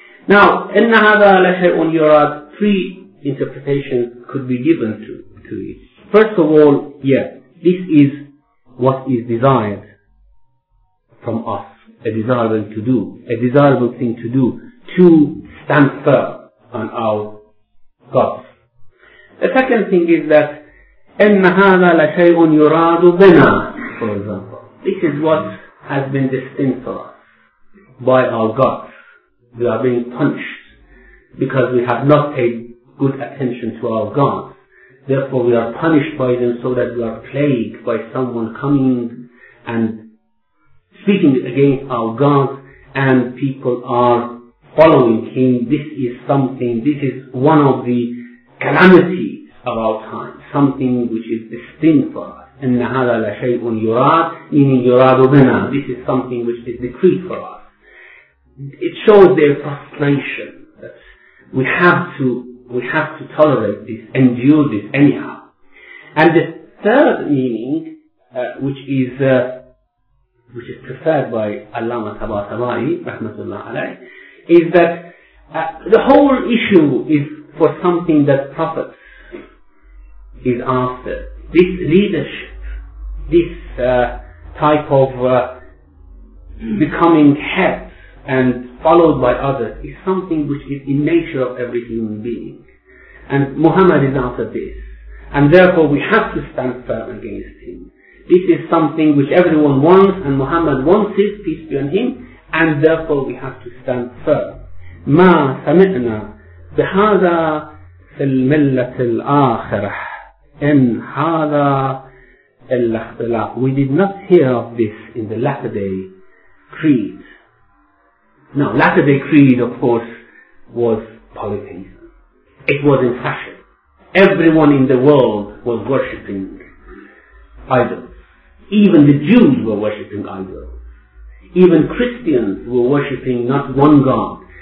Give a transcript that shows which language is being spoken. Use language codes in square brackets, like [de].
[ar] Now, إِنَّ هَذَا لَشَيْءٌ يُرَاد. [en] Three interpretations could be given to it. First of all, yes. This is what is desired from us, a desirable thing to do, to stand firm on our God. The second thing is that [ar] إِنَّ هَذَا لَشَيْءٌ يُرَادُ بِنَا, [en] for example. This is what has been destined for us by our God. We are being punished because we have not paid good attention to our God. Therefore we are punished by them, so that we are plagued by someone coming and speaking against our God, and people are following him. This is one of the calamities of our time, something which is destined for us. [ar] أن هذا لشيء يراد, meaning يراد بنا. [en] This is something which is decreed for us. It shows their frustration that we have to tolerate this, endure this anyhow. And the third meaning, which is preferred by Allama Tabatabai, rahmatullah alayhi, is that the whole issue is for something that Prophet is after. This leadership, this type of becoming head and followed by others is something which is in nature of every human being. And Muhammad is after this. And therefore we have to stand firm against him. This is something which everyone wants, and Muhammad wants it, peace be on him, and therefore we have to stand firm. [ar] ما سمعنا بهذا في الملة الآخرة إن هذا الاختلاف. [en] We did not hear of this in the latter day creed. Now, latter day creed, of course, was polytheism. It was in fashion. Everyone in the world was worshipping idols. Even the Jews were worshipping idols. Even Christians were worshipping not one God.